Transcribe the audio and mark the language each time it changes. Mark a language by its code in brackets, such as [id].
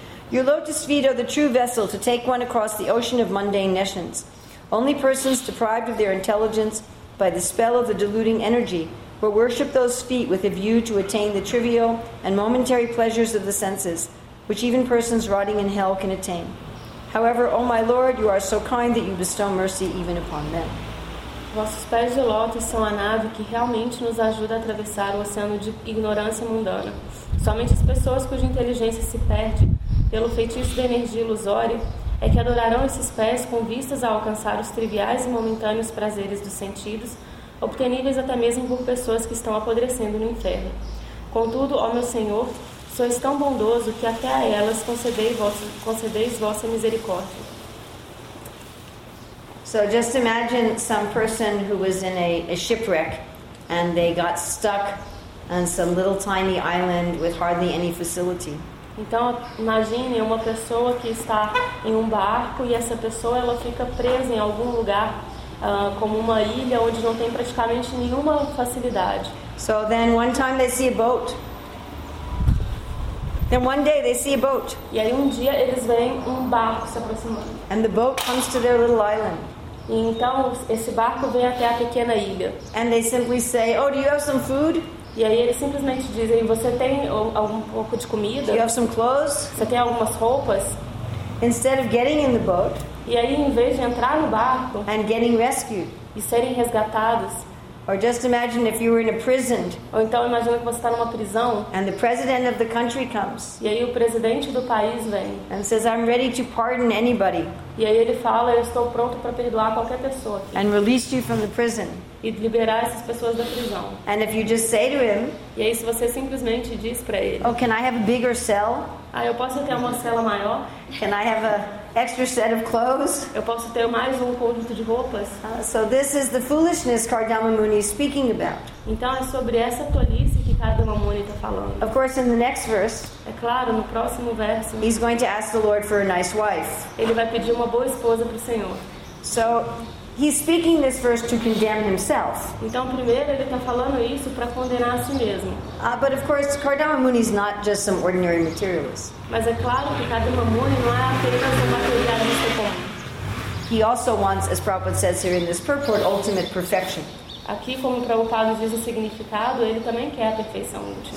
[en] Your lotus feet are the true vessel to take one across the ocean of mundane nations. Only persons deprived of their intelligence by the spell of the deluding energy, but worship those feet with a view to attain the trivial and momentary pleasures of the senses, which even persons rotting in hell can attain. However, O my Lord, you are so kind that you bestow mercy even upon them. [pt] Vossos pés de lótus são a nave que realmente nos ajuda a atravessar o oceano de ignorância mundana. Somente as pessoas cuja inteligência se perde pelo feitiço da energia ilusória é que adorarão esses pés com vistas a alcançar os triviais e momentâneos prazeres dos sentidos, obteníveis até mesmo por pessoas que estão apodrecendo no inferno. Contudo, ó meu Senhor, sois tão bondoso que até a elas concedeis vossa misericórdia. [en] So just imagine some person who was in a shipwreck and they got stuck on some little tiny island with hardly any facility. [pt] Então imagine uma pessoa que está em um barco e essa pessoa ela fica presa em algum lugar como uma ilha onde não tem praticamente nenhuma facilidade. [en] So then one time they see a boat. Then one day they see a boat. [pt] E aí um dia eles veem um barco se aproximando. [en] And the boat comes to their little island. [pt] E então esse barco vem até a pequena ilha. [en] And they simply say, "Oh, do you have some food?" [pt] E aí eles simplesmente dizem, "Você tem algum pouco de comida?" [en] "Do you have some clothes?" [pt] Você tem algumas roupas? [en] Instead of getting in the boat. [pt] E aí em vez de entrar no barco. [en] And getting rescued. [pt] E serem resgatados. [en] Or just imagine if you were in a prison. [pt] Ou então imagina que você está numa prisão. [en] And the president of the country comes. [pt] E aí o presidente do país vem. [en] And says, "I'm ready to pardon anybody." [pt] E aí ele fala, "Eu estou pronto para perdoar qualquer pessoa aqui." [en] And release you from the prison. [pt] E liberar essas pessoas da prisão. [en] And if you just say to him, [pt] e aí se você simplesmente diz para ele, [en] "Oh, can I have a bigger cell?" [pt] Ah, eu posso ter uma cela maior? [en] "Can I have a extra set of clothes?" [pt] Eu posso ter mais conjunto de roupas? [en] So this is the foolishness Kardama Muni is speaking about. [pt] Então é sobre essa tolice que Kardama Muni está falando. [en] Of course, in the next verse, [pt] é claro, no próximo verso, [en] he's going to ask the Lord for a nice wife. [pt] Ele vai pedir uma boa esposa para o Senhor. [en] So he's speaking this verse to condemn himself. [pt] Então, primeiro, ele está falando isso para condenar a si mesmo. [en] But of course, Kardama Muni is not just some ordinary materialist. [pt] Mas é claro que Kardama Muni não é apenas um materialista comum. [en] He also wants, as Prabhupada says here in this purport, ultimate perfection. [pt] Aqui, como Prabhupada diz o significado, ele também quer a perfeição última.